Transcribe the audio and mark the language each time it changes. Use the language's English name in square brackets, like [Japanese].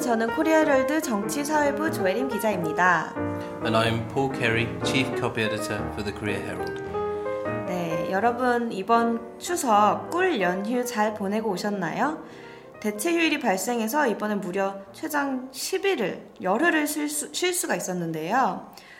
[Korean] 저는 코리아 헤럴드 정치 사회부 조혜림 기자입니다. [English] And I'm Paul Carey, chief copy editor for the Korea Herald. [Korean] 네, 여러분 이번 추석 꿀 연휴 잘 보내고 오셨나요? 대체 휴일이 발생해서 이번에 무려 최장 10일을 열흘을 쉴 수가 있었는데요.